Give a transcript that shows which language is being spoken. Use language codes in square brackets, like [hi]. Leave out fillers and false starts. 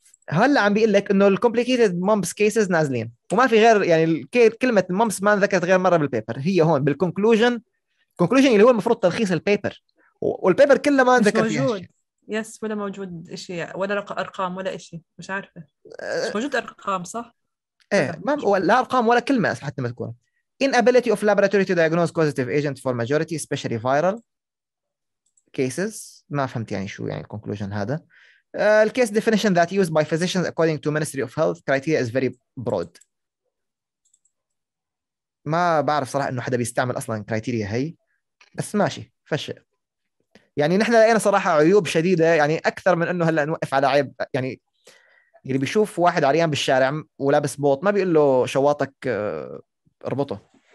[ar] هلا عم بيقول لك إنه complicated mumps cases نازلين وما في غير يعني كلمة mumps ما ذكرت غير مرة بالبيبر هي هون بالconclusion. conclusion اللي هو المفروض تلخيص البيبر والبيبر كله ما ذكرت موجود يس ولا موجود إشي ولا أرقام ولا إشي مش عارفة مش موجود أرقام صح إيه ما ولا أرقام ولا كلمة حتى ما تكون [en] inability of laboratory to diagnose causative agent for majority especially viral cases. [ar] ما فهمت يعني شو يعني conclusion هذا. [en] The case definition that used by physicians according to Ministry of Health criteria is very broad. [ar] ما بعرف صراحة إنه حدا بيستعمل أصلاً كريتيريا هي بس ماشي فشل. يعني نحن لقينا صراحة عيوب شديدة يعني أكثر من إنه هلأ نوقف على عيب. يعني اللي بيشوف واحد عريان بالشارع ولابس بوط ما بيقول له شواطك اربطه.